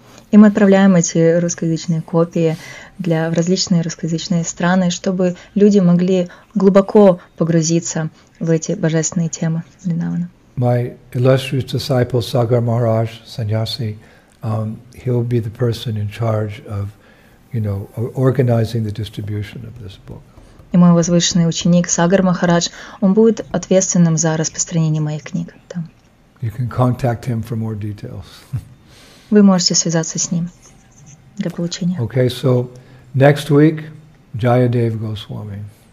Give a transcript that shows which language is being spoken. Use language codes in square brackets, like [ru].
[ru] И мы отправляем эти русскоязычные копии для в различные русскоязычные страны, чтобы люди могли глубоко погрузиться в эти божественные темы Вриндавана. [en] My illustrious disciple Sagar Maharaj Sanyasi, he'll be the person in charge of, you know, organizing the distribution of this book. [ru] И мой возвышенный ученик Сагар Махарадж, он будет ответственным за распространение моих книг там. [en] You can contact him for more details. [ru] Вы можете связаться с ним для получения. [en] Okay, so next week, Jayadeva Goswami.